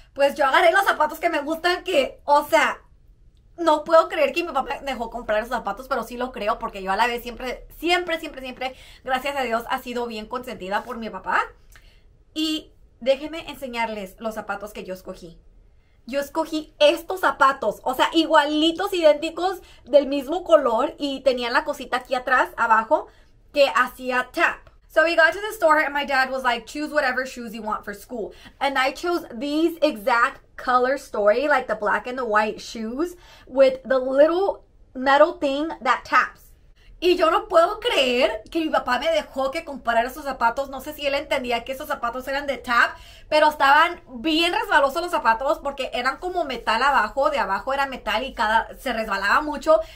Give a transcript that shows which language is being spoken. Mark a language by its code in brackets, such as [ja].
[es] Pues yo agarré los zapatos que me gustan que, o sea, no puedo creer que mi papá dejó comprar esos zapatos, pero sí lo creo porque yo a la vez siempre, gracias a Dios, ha sido bien consentida por mi papá. Y déjenme enseñarles los zapatos que yo escogí. Yo escogí estos zapatos, o sea, igualitos, idénticos, del mismo color y tenían la cosita aquí atrás, abajo, que hacía tap. [en] So we got to the store and my dad was like, choose whatever shoes you want for school. And I chose these exact color story, like the black and the white shoes with the little metal thing that taps. [es] Y yo no puedo creer que mi papá me dejó que comprar esos zapatos. No sé si él entendía que esos zapatos eran de tap, pero estaban bien resbalosos los zapatos porque eran como metal abajo. De abajo era metal y se resbalaba mucho.